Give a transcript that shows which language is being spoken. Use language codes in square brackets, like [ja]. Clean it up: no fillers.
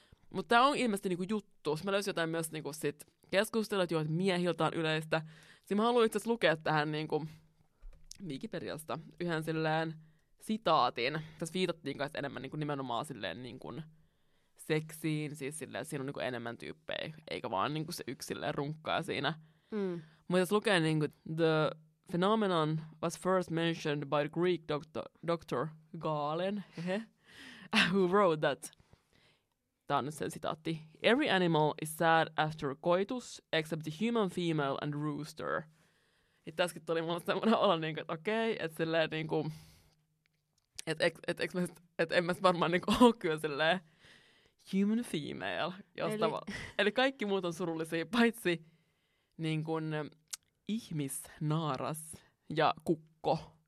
[fi] Mutta tämä on ilmeisesti niinku juttu. Sitten mä löysin jotain myös niinku sit keskustelua, että miehiltä on yleistä. Sitten mä haluan itse asiassa lukea tähän niinku Wikipediasta yhden silleen sitaatin. Tässä viitattiin kanssa enemmän niinku nimenomaan silleen niinku seksiin, siis silleen, siinä on niinku enemmän tyyppejä, eikä vaan niinku se yksi runkkaa siinä. Mm. Mutta jos lukee, niinku, [en] the phenomenon was first mentioned by the Greek doctor Galen, who wrote that, [fi] tämä on nyt sen sitaatti, [en] every animal is sad after coitus, except the human female and rooster. [fi] Ja tässäkin tuli mulle semmoinen olo, niinku, että okei, okay, että silleen, niinku, et en mä varmaan niinku, ole kyllä silleen, human female, josta eli kaikki muut on surullisia, paitsi niin kun, ihmisnaaras ja kukko.